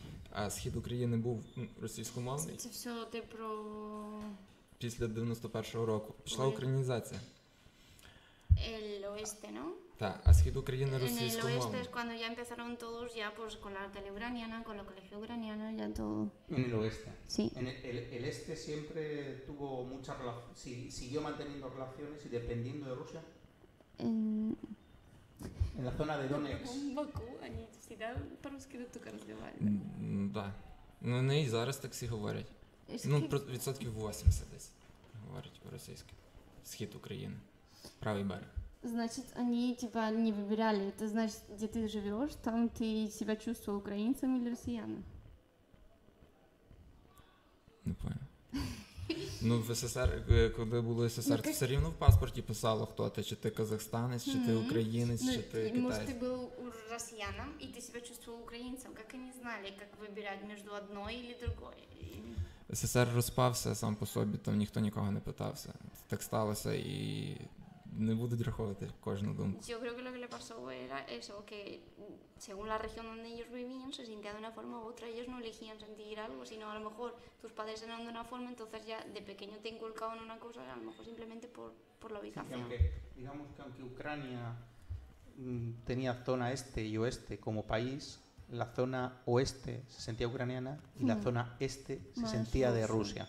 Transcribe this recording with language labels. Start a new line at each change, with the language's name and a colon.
Ukrainian: А схід України був російськомовний. Це все ти про... Після 91-го року. Пішла українізація.
Spanish: El oeste, ¿no?
Ukrainian: Так, а схід України російськомовний.
Spanish: En el oeste es cuando ya empezaron todos ya pues con la tele ucraniana, con la colegio ucraniana, ya todo. En el oeste. Sí. En el este siempre tuvo mucha relación, sí, siguió manteniendo relaciones y dependiendo de Rusia. En la zona de Donetsk. Un poco,
Russian: они всегда по-русски тут разговаривали. Да.
Ukrainian: Ну, не і зараз так всі говорять. Ну, відсотків 80 десь говорять по-російськи. Схід України.
Russian: Правый берег. Значит, они типа не выбирали. Это значит, где ты живешь, там ты себя чувствовал украинцем или россиянином? Не понял. Ну, в СССР, когда был СССР, ты все равно в паспорте писало, кто ты, чи ты казахстанец, чи ты украинец, чи ты китайец. Может, ты был россиянином, и ты себя чувствовал украинцем. Как они знали, как выбирать между одной или другой?
Ukrainian: СССР розпався сам по собі, там ніхто нікого не питався. Так сталося і не будуть враховувати кожну думку.
Spanish: Yo creo que lo que le pasó era eso, que según la región donde ellos vivían, se sentía de una forma u otra, ellos no elegían sentir algo, sino a lo mejor tus padres eran de una forma, entonces ya de pequeño te inculcaban una cosa, a lo mejor simplemente por la ubicación. Sí, aunque, digamos que aunque Ucrania tenía zona este y oeste como país, la zona oeste se sentía ucraniana y la zona este se más sentía de Rusia.